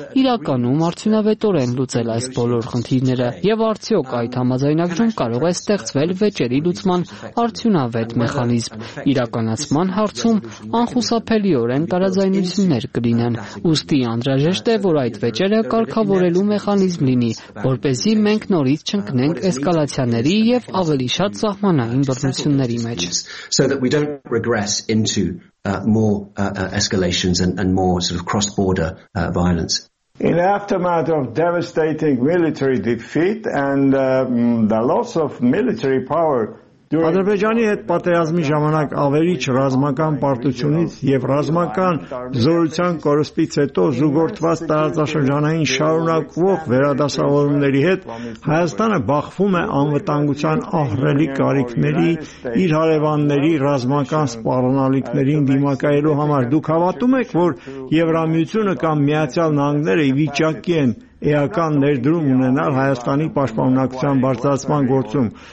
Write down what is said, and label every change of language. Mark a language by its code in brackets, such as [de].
[hy] իրականում արդյունավետորեն լուծել այս բոլոր խնդիրները եւ արդյոք այդ համաձայնագրում կարող է ստեղծվել վեճերի լուծման արդյունավետ մեխանիզմ, իրականացման հարցում անխուսափելիորեն տարաձայնություններ կլինեն, ուստի անհրաժեշտ է, որ այդ վեճերը կարգավորելու մեխանիզմ լինի, որպեսզի մենք նորից չընկնենք էսկալացիաների եւ ավելի շատ սահմանային բռնությունների մեջ. [en] So that we don't regress into more escalations and more sort of cross-border violence. In the aftermath of devastating military defeat and the loss of military power, [hy] Ադրբեջանի հետ պատերազմի ժամանակ ավելի ռազմական պարտությունից եւ ռազմական զորության կորուստից հետո զուգորդված տարածաշրջանային շարունակվող վերադասավորումների հետ Հայաստանը բախվում է անվտանգության ահռելի կարիքների, իր հարևանների ռազմական սպառնալիքներին դիմակայելու համար։ Դուք հավատում եք, որ Եվրամիությունը կամ Միացյալ Նահանգները ի վիճակի են էական ներդրում ունենալ Հայաստանի պաշտպանության բարձրացման գործում?